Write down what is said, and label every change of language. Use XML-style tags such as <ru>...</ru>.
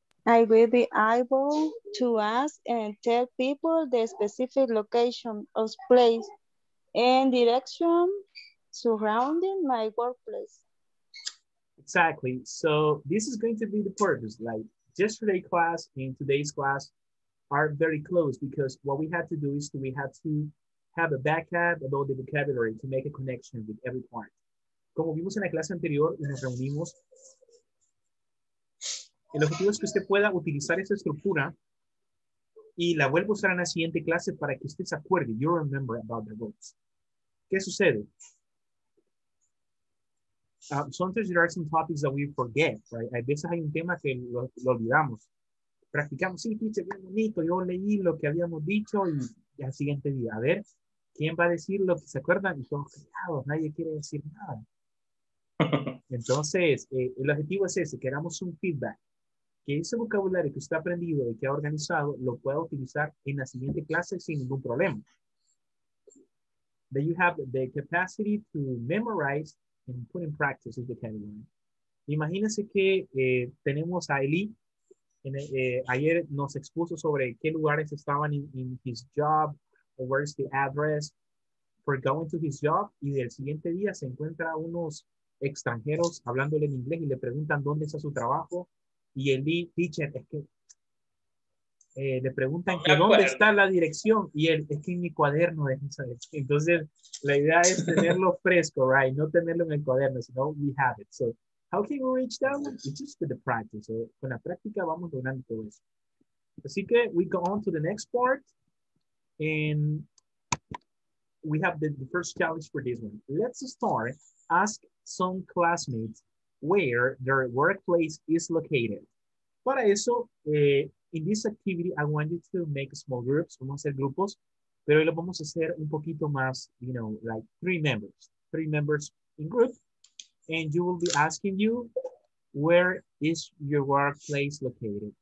<en>I will be able to ask and tell people the specific location of place and direction surrounding my workplace. Exactly. So this is going to be the purpose. Like yesterday's class and today's class are very close because what we had to do is we had to have a backup about the vocabulary to make a connection with every part.</en> <es>Como vimos en la clase anterior, nos reunimos. El objetivo es que usted pueda utilizar esa estructura y la vuelva a usar en la siguiente clase para que usted se acuerde.</es> <en>You remember about the words.</en> <es>¿Qué sucede?</es> <en>Sometimes there are some topics that we forget, right?</en> <es>A veces hay un tema que lo olvidamos. Practicamos, sí, teacher, bien bonito. Yo leí lo que habíamos dicho y al siguiente día. A ver, ¿quién va a decir lo que se acuerdan? Y todos callados, nadie quiere decir nada. Entonces, el objetivo es ese, queramos un feedback. Que ese vocabulario que usted ha aprendido y que ha organizado lo pueda utilizar en la siguiente clase sin ningún problema.</es> <en>That you have the capacity to memorize and put in practice is the category.</en> <es>Imagínese que tenemos a Eli. Ayer nos expuso sobre qué lugares estaban</es> <en>in his job, or where's the address for going to his job.</en> <es>Y del siguiente día se encuentra unos extranjeros hablándole en inglés y le preguntan dónde está su trabajo. Y el teacher, es que le preguntan que dónde está la dirección. Y él, es que en mi cuaderno es esa dirección. Entonces, la idea es tenerlo fresco, right? No tenerlo en el cuaderno, sino</es> <en>we have it. So, how can we reach that one? It's just with the practice.</en> <es>So, con la práctica vamos logrando todo eso.</es> <en>Así que, we go on to the next part. And we have the first challenge for this one. Let's start. Ask some classmates where their workplace is located.</en> <es>Para eso,</es> <en>in this activity, I want you to make small groups,</en> <es>vamos a hacer grupos, pero lo vamos a hacer un poquito más,</es> <en>you know, like three members in group, and you will be asking you, where is your workplace located?</en>